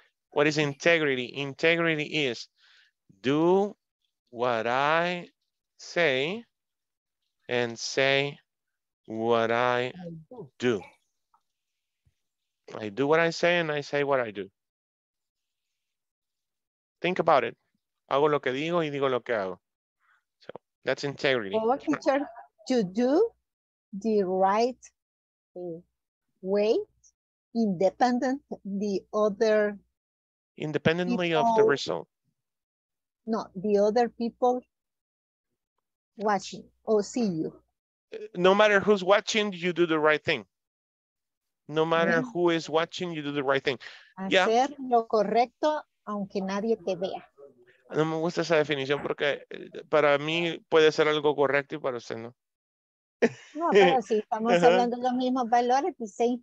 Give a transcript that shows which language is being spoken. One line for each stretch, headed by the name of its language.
English: What is integrity? Integrity is do what I say and say what I do. I do what I say and I say what I do. Think about it.
Spanish: Hago lo que digo y digo lo que hago.
English: So that's integrity. Well, what teacher, to do the right way, independent the other. Independently people, of the result. No, the other people watching or see you. no matter who's watching, you do the right thing. No matter who is watching, you do the right thing.
Spanish: Hacer lo correcto, aunque nadie te vea. No me gusta esa definición porque para mí puede ser algo correcto y para usted no. No, pero si estamos hablando de los mismos valores, pues same,